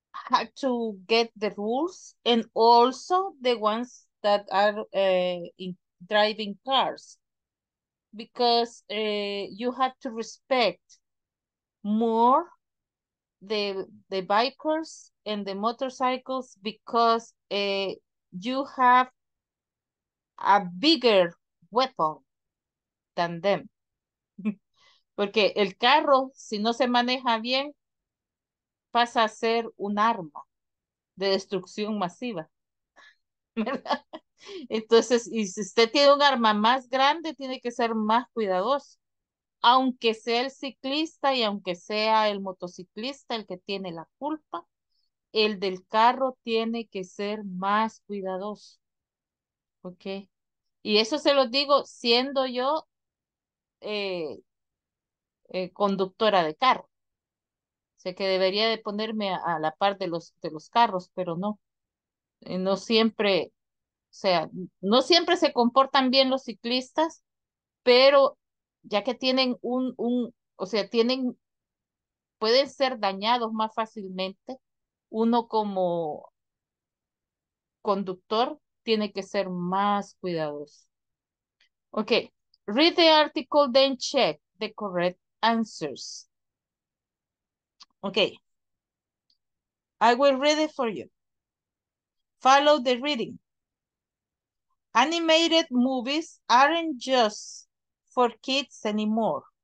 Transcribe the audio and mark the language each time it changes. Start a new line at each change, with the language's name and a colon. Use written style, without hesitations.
English: have to get the rules, and also the ones that are in driving cars, because you have to respect more the bikers and the motorcycles, because you have a bigger weapon than them.
Spanish: Porque el carro, si no se maneja bien, pasa a ser un arma de destrucción masiva, ¿verdad? Entonces, y si usted tiene un arma más grande, tiene que ser más cuidadoso, aunque sea el ciclista y aunque sea el motociclista el que tiene la culpa, el del carro tiene que ser más cuidadoso, ¿ok? Y eso se lo digo siendo yo conductora de carro. Sé que debería de ponerme a la par de los carros, pero no. No siempre, o sea, no siempre se comportan bien los ciclistas, pero ya que tienen un o sea, tienen, pueden ser dañados más fácilmente, uno como conductor tiene que ser más cuidadoso.
English: Okay, read the article, then check the correct answers. Okay, I will read it for you. Follow the reading. Animated movies aren't just for kids anymore.